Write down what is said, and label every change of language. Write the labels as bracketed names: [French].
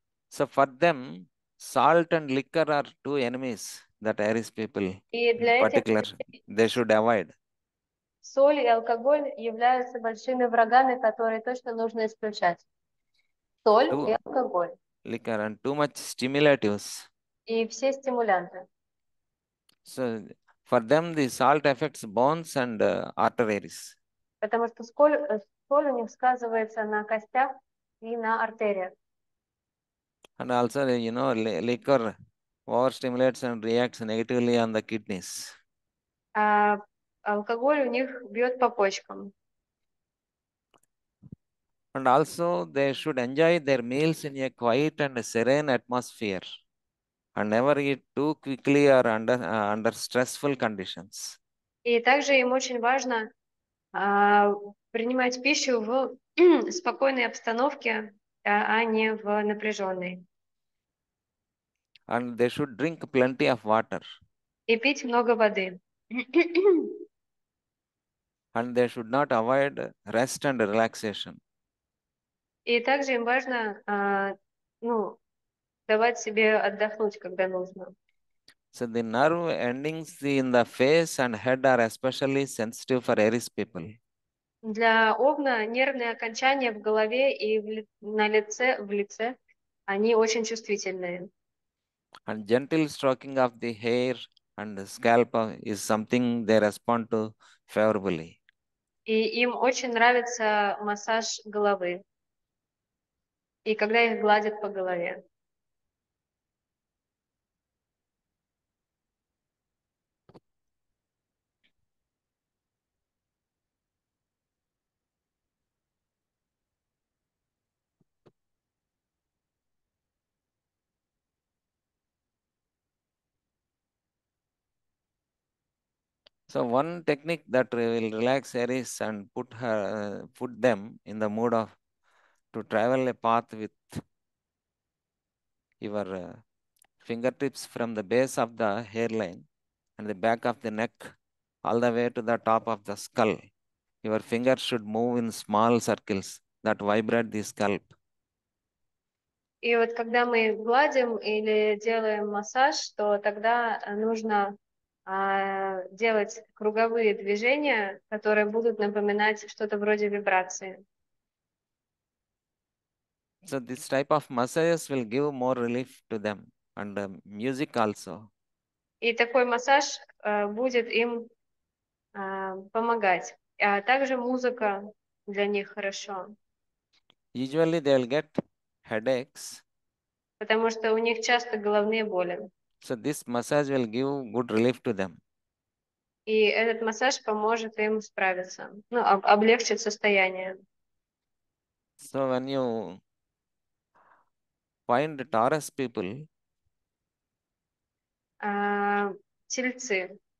[English] So for them, salt and liquor are two enemies that Aries people [Russian] И [English] in [Russian] для этих [English] particular, they should avoid. [Russian] соль и алкоголь являются большими врагами, которые точно нужно исключать. Соль [English] Too [Russian] и алкоголь. [English] liquor and too much stimulatives. [Russian] И все стимулянты. [English] So for them, the salt affects bones and arteries. [Russian] Потому что соль у них сказывается на костях и на артериях. [English] And also, you know, liquor overstimulates and reacts negatively on the kidneys. [Russian] Алкоголь у них бьет по почкам. [English] And also, they should enjoy their meals in a quiet and a serene atmosphere and never eat too quickly or under stressful conditions. [Russian] И также им очень важно принимать пищу в спокойной обстановке, а не в напряженной. [English] And they should drink plenty of water. [Russian] И пить много воды. [English] And they should not avoid rest and relaxation. [Russian] И также им важно, давать себе отдохнуть, когда нужно. [English] So the nerve endings in the face and head are especially sensitive for Aries people. [Russian] Для Овна нервные окончания в голове и в лице, они очень чувствительные. [English] And gentle stroking of the hair and the scalp is something they respond to favorably. [Russian] И им очень нравится массаж головы. И когда их гладят по голове. [English] So one technique that will relax Aries and put her, put them in the mood of to travel a path with your fingertips from the base of the hairline and the back of the neck all the way to the top of the skull. Your fingers should move in small circles that vibrate the scalp. [Russian] И вот когда мы гладим или делаем массаж, то тогда нужно делать круговые движения, которые будут напоминать что-то вроде вибрации. [English] So this type of massages will give more relief to them and music also. [Russian] И такой массаж будет им помогать. А также музыка для них хорошо. [English] Usually they'll get headaches. [Russian] Потому что у них часто головные боли. [English] So this massage will give good relief to them. [Russian] И этот массаж поможет им справиться, ну, облегчит состояние. [English] So when you find Taurus people, [Russian] тельцы.